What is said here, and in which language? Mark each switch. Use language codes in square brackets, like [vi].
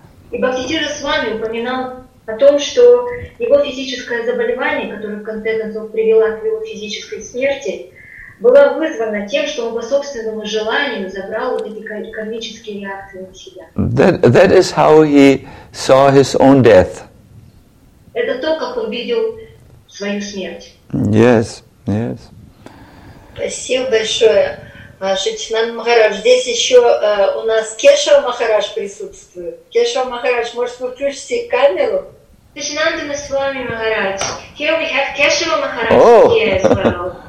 [ru] И Бхактисиддха Свами упоминал о том, что его физическое заболевание, которое в конце концов привело к его физической смерти, была вызвана тем, что он по собственному желанию забрал вот эти кармические реакции на себя. [en] That is how he saw his own death. [ru] Это то, как он видел свою смерть. [en] Yes, yes. [ru] Спасибо большое, Шичинанда Махарадж. Здесь еще у нас Кешава Махарадж присутствует. Кешава Махарадж, может, вы включите камеру? Шичинанда Махарадж, Махарадж. [en] Here we have Кешава Махарадж here as well.